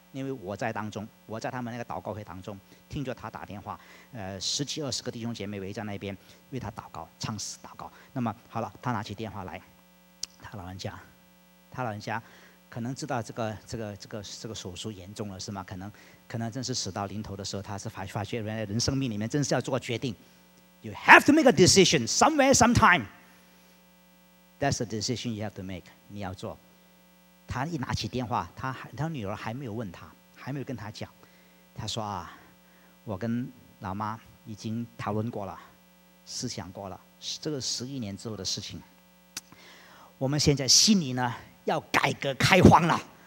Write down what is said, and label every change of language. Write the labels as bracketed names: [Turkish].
[Chinese] 因为我在当中，我在他们那个祷告会当中听着他打电话，十几二十个弟兄姐妹围在那边为他祷告，唱诗祷告。那么好了，他拿起电话来，他老人家可能知道这个手术严重了是吗？可能真是死到临头的时候，他是发觉原来人生命里面真是要做决定。 [English] You have to make a decision somewhere sometime. That's the decision you have to make. [Chinese] 你要做。他一拿起电话， 他女儿还没有问他，还没有跟他讲，他说啊，我跟老妈已经讨论过了，思想过了，这个十一年之后的事情，我们现在心里呢要改革开放了。